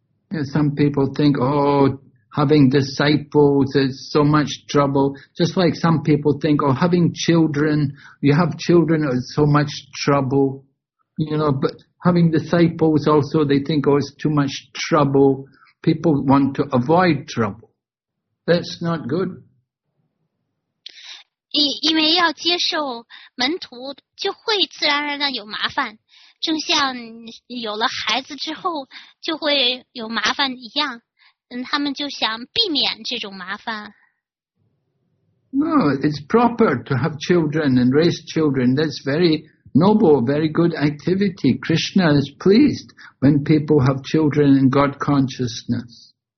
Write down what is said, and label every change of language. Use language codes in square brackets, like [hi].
[en] yeah, Some people think Oh, having disciples is so much trouble Just like some people think Oh, having children You have children is so much trouble You know, but having disciples also They think, oh, it's too much trouble People want to avoid troubleThat's not good. [zh] 因为要接受门徒就会自然而然的有麻烦正像有了孩子之后就会有麻烦一样他们就想避免这种麻烦。 [en] No, it's proper to have children and raise children. That's very noble, very good activity. Krishna is pleased when people have children in God consciousness.